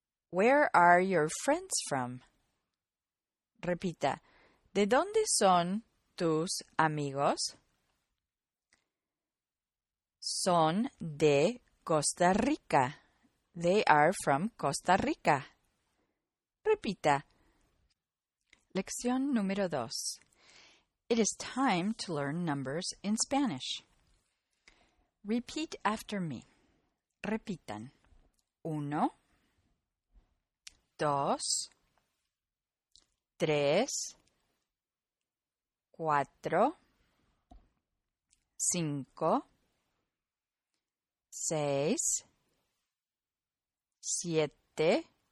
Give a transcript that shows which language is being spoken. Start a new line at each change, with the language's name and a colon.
English: Where are your friends from?
Spanish: Repita. ¿De dónde son tus amigos? Son de Costa Rica.
English: They are from Costa Rica.
Spanish: Repita. Lección número dos.
English: It is time to learn numbers in Spanish. Repeat after me.
Spanish: Repitan. Uno, dos, tres, cuatro, cinco, seis, siete,